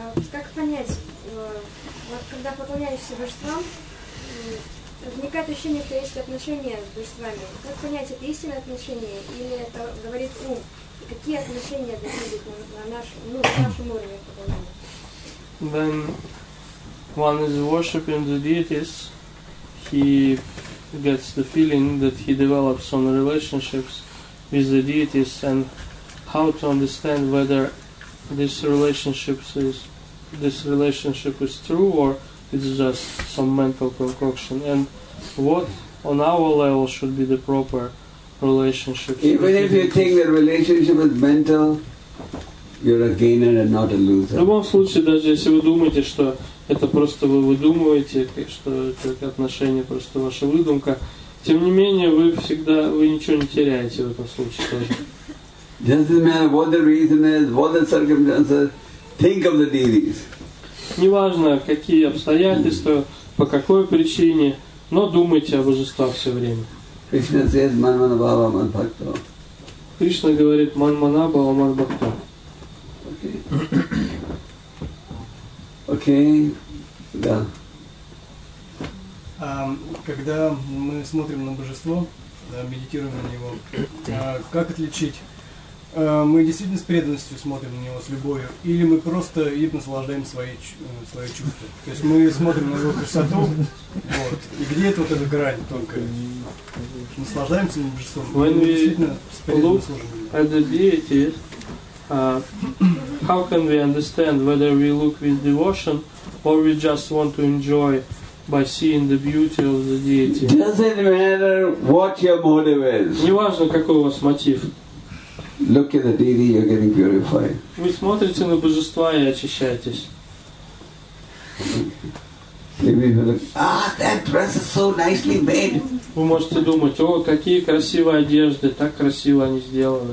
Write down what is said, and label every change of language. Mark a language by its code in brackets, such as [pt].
[ru] Как понять, вот когда поклоняешься божествам, возникает ощущение, что есть отношения с божествами. Как понять, это истинное отношение или это говорит ум? И какие отношения должны быть на нашем уровне поклонения? [en] When one is worshipping the deities, he gets the feeling that he develops some relationships with the deities, and how to understand whether this relationship is true or it's just some mental concoction, and what on our level should be the proper relationship. Even if you think the relationship is mental, you're a gainer and not a loser. [ru] В любом случае, даже если вы думаете, что это просто вы выдумываете, что это отношение просто ваша выдумка, тем не менее, вы ничего не теряете в этом случае тоже. [en] Doesn't matter what the reason is, what the circumstances, think of the deities. [ru] Неважно, какие обстоятельства, по какой причине, но думайте о божествах все время. [en] Krishna says, [sa] man manabhava man bhakto. [ru] Кришна говорит, [sa] man manabhava man bhakto. [ru] Окей, да. Когда мы смотрим на божество, да, медитируем на него, как отличить? Мы действительно с преданностью смотрим на него, с любовью, или мы просто и наслаждаем свои чувства? То есть мы смотрим на его красоту, вот, и где это вот эта грань тонкая? Наслаждаемся на божеством, или мы действительно с преданностью служим? [en] How can we understand whether we look with devotion or we just want to enjoy by seeing the beauty of the deity? Doesn't matter what your motive is. [ru] Не важно, какой у вас мотив. [en] Look at the deity, you're getting purified. [ru] Вы смотрите на божества и очищаетесь. [en] That dress is so nicely made. [ru] Вы можете думать, о, какие красивые одежды, так красиво они сделаны.